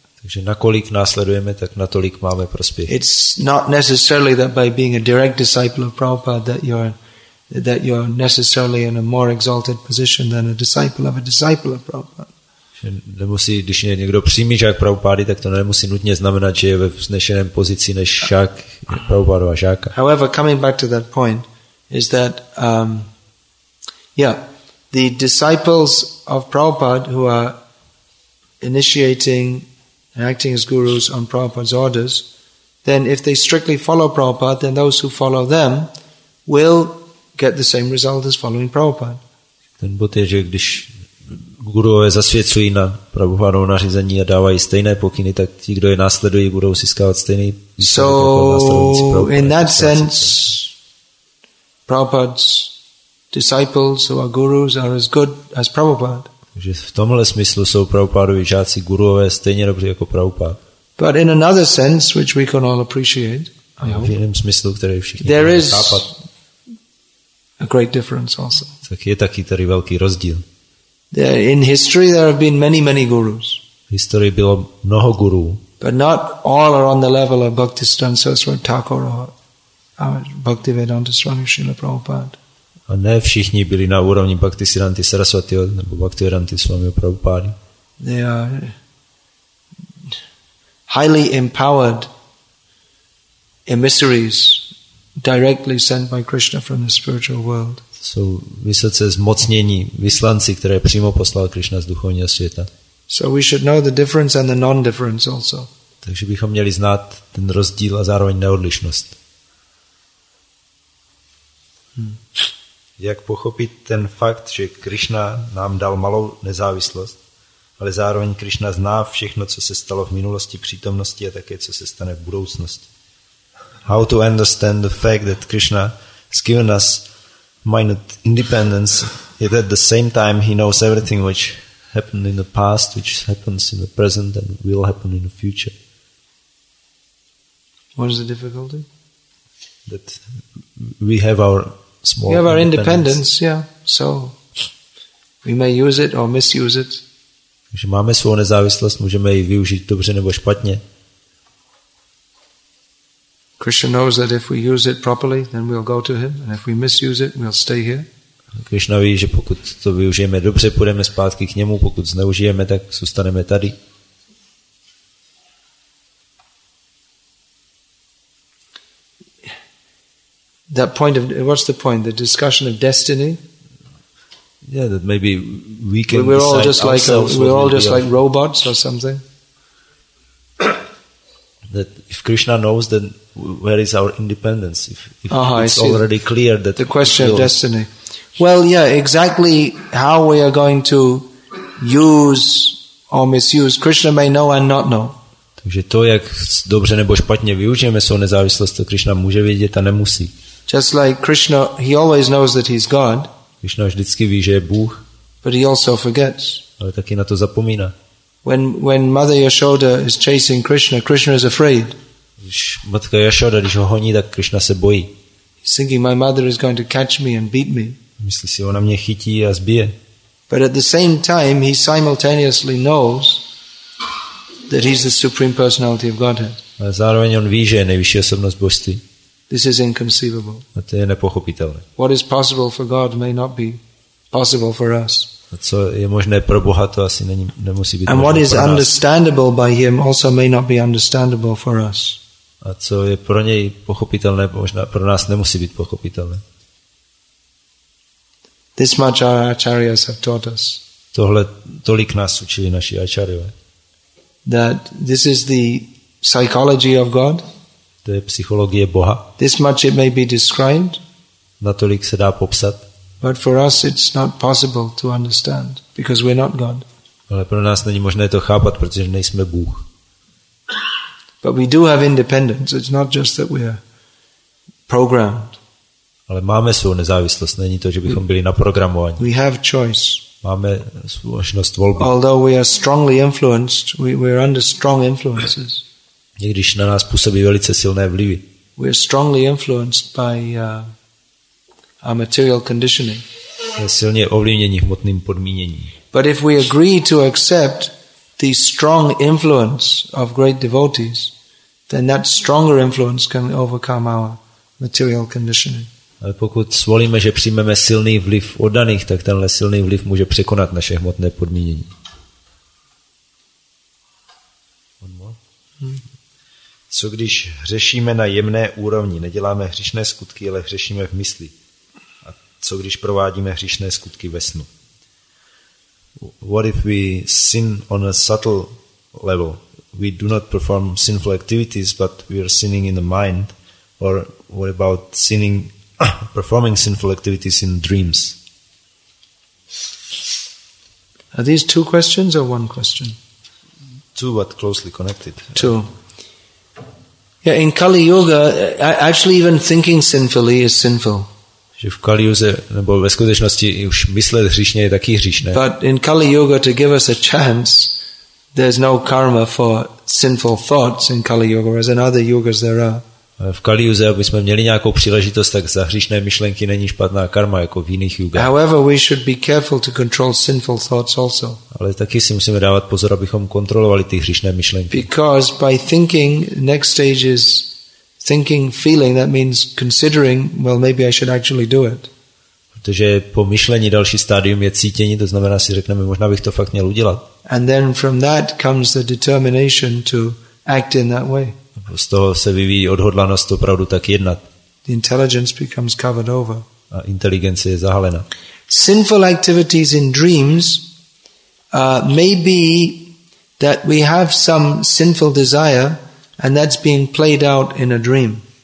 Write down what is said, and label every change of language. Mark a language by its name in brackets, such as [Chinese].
[Czech] Takže nakolik následujeme, tak natolik máme prospěch. [English] It's not necessarily that by being a direct disciple of Prabhupada that you're necessarily in a more exalted position than a disciple of a disciple of Prabhupada. [Czech] Nemusí, když je někdo přímý žák Prabhupády, tak to nemusí nutně znamenat, že je ve vznešeném pozici než žák Prabhupádova žáka. [English] However, coming back to that point, is that the disciples of Prabhupada who are initiating and acting as gurus on Prabhupada's orders, then if they strictly follow Prabhupada, then those who follow them will get the same result as following Prabhupada. [Czech] Ten bod je, že když guruové zasvěcují na Prabhupádovo nařízení a dávají stejné pokyny, tak ti, kdo je následují, budou získávat stejný výsledek. [English] So, in that sense, Prabhupada's disciples who are gurus are as good as Prabhupada. [Czech] Takže v tomhle smyslu jsou Prabhupádovi žáci guruové stejně dobří jako Prabhupád. [English] But in another sense, which we can all appreciate, [Czech] v jiném smyslu, který všichni [English] there [Czech] můžeme chápat, [English] there is a great difference also. [Czech] Tak je taky tady velký rozdíl. [English] There, in history there have been many, many gurus. [Czech] V historii bylo mnoho gurů. [English] But not all are on the level of Bhaktisiddhanta Saraswati Thakur or Bhaktivedanta Swami Srila Prabhupada. [Czech] A ne všichni byli na úrovni Bhaktisiddhanty Sarasvatiho nebo Bhaktivedanty Swamiho Prabhupády. [English] They are highly empowered emissaries directly sent by Krishna from the spiritual world. [Czech] Jsou vysoce zmocnění vyslanci, které přímo poslal Krishna z duchovního světa. [English] So we should know the difference and the non-difference also. [Czech] Takže bychom měli znát ten rozdíl a zároveň neodlišnost. Jak pochopit ten fakt, že Krishna nám dal malou nezávislost, ale zároveň Krishna zná všechno, co se stalo v minulosti, přítomnosti a také co se stane v budoucnosti. [English] How to understand the fact that Krishna has given us minute independence, yet at the same time he knows everything which happened in the past, which happens in the present and will happen in the future. What is the difficulty? That we have our small we have our independence, yeah. So we may use it or misuse it. [Czech] Takže máme svou nezávislost, můžeme ji využít dobře nebo špatně. [English] Krishna knows that if we use it properly, then we'll go to him, and if we misuse it, we'll stay here. [Czech] Krishna ví, že pokud to využijeme dobře, půjdeme zpátky k němu, pokud zneužijeme, tak zůstaneme tady. [English] That point of what's the point? The discussion of destiny. Yeah, that maybe we can. We're all just like robots or something. That if Krishna knows, then where is our independence? If it's already clear that the question of destiny. Well, yeah, exactly how we are going to use or misuse Krishna may know and not know. [Czech] Takže to, jak dobře nebo špatně využijeme svou nezávislost, to Krishna může vědět a nemusí. [English] Just like Krishna, he always knows that he's God. [Czech] Krishna vždycky ví, že je Bůh. [English] But he also forgets. [Czech] Ale taky na to zapomíná. [English] When Mother Yashoda is chasing Krishna, Krishna is afraid. [Czech] Když matka Yashoda, když ho honí, tak Krishna se bojí. [English] He's thinking, my mother is going to catch me and beat me. [Czech] Myslí si, ona mě chytí a zbije. [English] But at the same time he simultaneously knows that he's the supreme personality of Godhead. [Czech] A zároveň on ví, že je nejvyšší osobnost božství. [English] This is inconceivable. [Czech] A to je nepochopitelné. [English] What is possible for God may not be possible for us. [Czech] A co je možné pro Boha, to asi není, nemusí být. [English] And what is understandable by him also may not be understandable for us. [Czech] A co je pro něj pochopitelné, možná pro nás nemusí být pochopitelné. [English] This much our acharyas have taught us. [Czech] Tohle tolik nás učili naši acharyové. [English] That this is the psychology of God. [Czech] To je psychologie Boha. [English] This much it may be described. [Czech] Natolik se dá popsat. [English] But for us it's not possible to understand because we're not God. [Czech] Ale pro nás není možné to chápat, protože nejsme Bůh. [English] But we do have independence. It's not just that we're programmed. [Czech] Ale máme svou nezávislost. Není to, že bychom byli naprogramováni. [English] We have choice. [Czech] Máme možnost volby. [English] Although we are strongly influenced, we are under strong influences. [Czech] I když na nás působí velice silné vlivy. [English] We are strongly influenced by our material conditioning. [Czech] Jsme silně ovlivněni hmotným podmíněním. [English] But if we agree to accept the strong influence of great devotees, then that stronger influence can overcome our material conditioning. [Czech] Ale pokud svolíme, že přijmeme silný vliv oddaných, tak tenhle silný vliv může překonat naše hmotné podmínění. Co když hřešíme na jemné úrovni, neděláme hříšné skutky, ale hřešíme v mysli? A co když provádíme hříšné skutky ve snu? [English] What if we sin on a subtle level? We do not perform sinful activities, but we are sinning in the mind. Or what about sinning performing sinful activities in dreams? Are these two questions or one question? Two, but closely connected. Two. Yeah, in Kali Yuga, actually even thinking sinfully is sinful. [Czech] Že v Kali Yuze, nebo ve skutečnosti už myslet hříšně je taky hříšné. [English] But in Kali Yuga, to give us a chance, there's no karma for sinful thoughts in Kali Yuga, as in other yugas there are. [Czech] V Kali Yuze, aby jsme měli nějakou příležitost, tak za hříšné myšlenky není špatná karma jako v jiných yugách. [English] However, we should be careful to control sinful thoughts also. [Czech] Ale taky si musíme dávat pozor, abychom kontrolovali ty hříšné myšlenky. [English] Because by thinking, next stage is thinking, feeling, that means considering, well maybe I should actually do it. [Czech] Protože po myšlení další stádium je cítění, to znamená si řekneme, možná bych to fakt měl udělat. [English] And then from that comes the determination to act in that way. [Czech] Z toho se vyvíjí odhodlanost opravdu tak jednat. [English] The intelligence becomes covered over. [Czech] A inteligence je zahalena. [English] Sinful activities in dreams may be that we have some sinful desire and that's being played out in a dream.